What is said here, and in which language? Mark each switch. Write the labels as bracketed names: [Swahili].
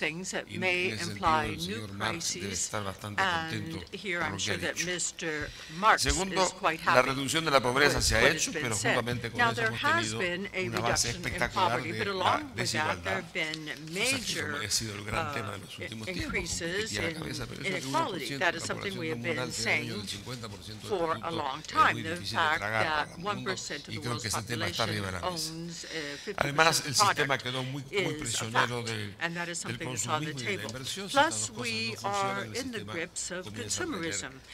[English] Things that may imply new crises, and here I'm sure that Mr. Marx is quite happy. [Spanish] La reducción de la pobreza se ha hecho, pero juntamente con eso hemos tenido una base espectacular de la desigualdad. Ha sido el gran tema de los últimos tiempos. [English] Inequality. That is something we have been saying for a long time. The fact that 1% of the world's population owns 50% of the product. Plus, we are in the grips of consumerism.